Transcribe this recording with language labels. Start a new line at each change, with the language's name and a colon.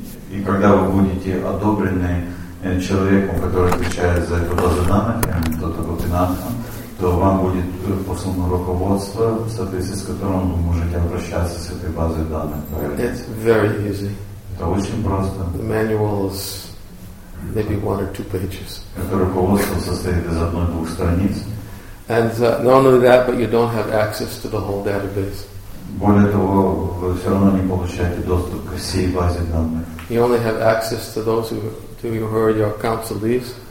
Russian: И когда вы будете одобрены человеком, который отвечает за эту базу данных, Dr. Gopinath, то вам будет послано руководство, в соответствии с которым вы можете обращаться с этой базой данных.
English: It's very easy.
Russian: Это очень просто.
English: The manual is maybe one or two pages. And not only that, but you don't have access to the whole database.
Russian: Более того, вы все равно не получаете доступ к всей базе данных.
English: You only have access to those who are your counselees.